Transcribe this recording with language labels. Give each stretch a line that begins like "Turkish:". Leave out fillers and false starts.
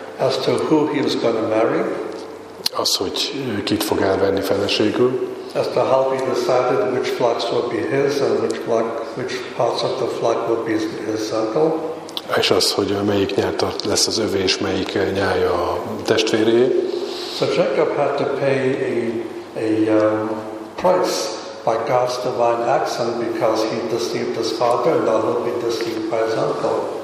English: As to who he was going to marry.
Hungarian: Az, hogy kit fog elvenni feleségül.
English: As to how he decided which flocks would be his and which parts of the flock would be his uncle.
Hungarian: És az, hogy melyik nyája lesz az övé, és melyik nyája a testvéré.
English: So Jacob had to pay a price by God's divine action because he deceived his father and now he'll be deceived by his uncle.